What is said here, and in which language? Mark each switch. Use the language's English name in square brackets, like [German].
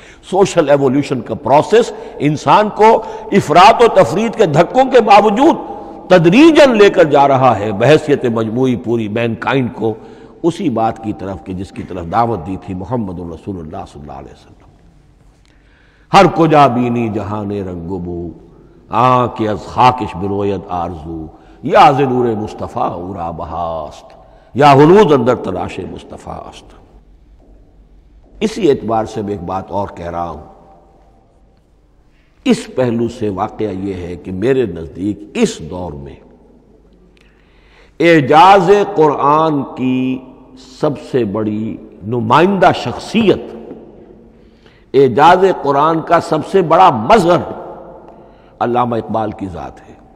[Urdu] Social evolution کا process انسان کو افراط و تفرید کے دھکوں کے باوجود تدریجن لے کر جا رہا ہے بحیثیت مجموعی پوری مینکائنڈ کو اسی بات کی طرف کہ جس کی طرف دعوت دی تھی محمد رسول اللہ صلی اللہ علیہ وسلم. [Persian] ہر کجا بینی جہان رنگ و بو، آنکھ از خاکش برویت آرزو، یا ز نور مصطفیٰ او را بہاست، یا حلود اندر تلاش مصطفیٰ است. [Urdu] اسی اعتبار سے میں ایک بات اور کہہ رہا ہوں، اس پہلو سے واقعہ یہ ہے کہ میرے نزدیک اس دور میں اعجاز قرآن کی سب سے بڑی نمائندہ شخصیت، اعجاز قرآن کا سب سے بڑا مظہر علامہ اقبال کی ذات ہے.